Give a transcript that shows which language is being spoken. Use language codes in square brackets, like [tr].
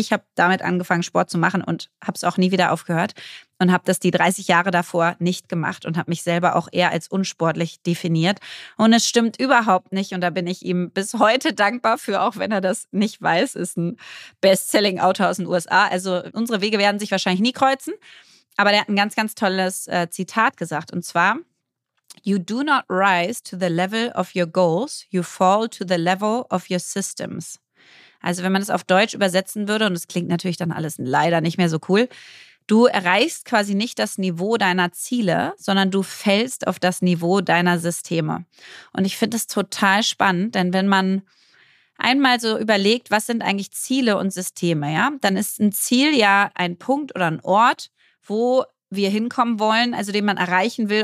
[de] Ich habe damit angefangen, Sport zu machen und habe es auch nie wieder aufgehört und habe das die 30 Jahre davor nicht gemacht und habe mich selber auch eher als unsportlich definiert. Und es stimmt überhaupt nicht und da bin ich ihm bis heute dankbar für, auch wenn er das nicht weiß, ist ein Bestselling-Autor aus den USA. Also unsere Wege werden sich wahrscheinlich nie kreuzen. Aber der hat ein ganz, ganz tolles Zitat gesagt. Und zwar, [en] you do not rise to the level of your goals, you fall to the level of your systems. [de] Also wenn man das auf Deutsch übersetzen würde, und es klingt natürlich dann alles leider nicht mehr so cool, du erreichst quasi nicht das Niveau deiner Ziele, sondern du fällst auf das Niveau deiner Systeme. Und ich finde das total spannend, denn wenn man einmal so überlegt, was sind eigentlich Ziele und Systeme, ja, dann ist ein Ziel ja ein Punkt oder ein Ort, wo wir hinkommen wollen, also den man erreichen will.